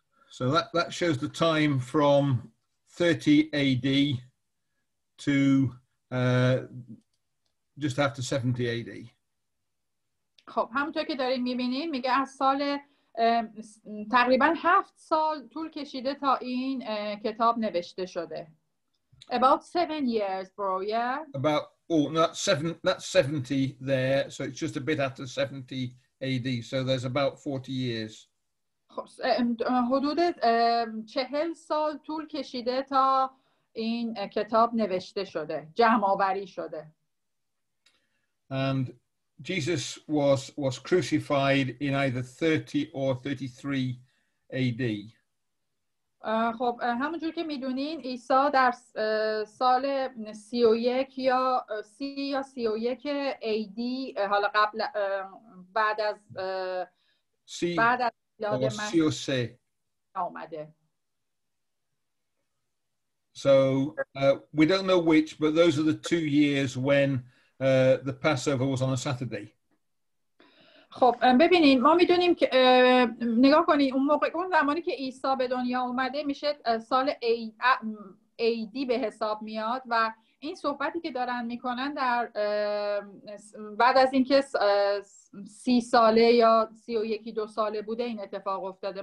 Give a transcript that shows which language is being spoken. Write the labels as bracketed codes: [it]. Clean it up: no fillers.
[en] So that shows the time from 30 AD to just after 70 AD. [fa] خب همونطور که داریم میبینیم میگه از سال تقریباً 7 سال طول کشیده تا این کتاب نوشته شده. [en] About 7 years, bro, yeah? About that's 70 there, so it's just a bit after 70 AD, so there's about 40 years. [fa] حدود 40 سال طول کشیده تا این کتاب نوشته شده، جمع‌آوری شده. [en] And Jesus was crucified in either 30 or 33 AD. [fa] خب همونجور که میدونین عیسی در سال 31 یا 30 یا 31 AD حالا قبل بعد از بعد از میلاد مسیح اومده. [en] So we don't know which, but those are the 2 years when the Passover was on a Saturday. [fa] خب ببینید ما میدونیم که نگاه کنید اون موقع اون زمانی که عیسی به دنیا اومده میشه سال AD به حساب میاد و این صحبتی که دارن میکنن در بعد از اینکه 30 ساله یا 31 دو ساله بوده این اتفاق افتاده.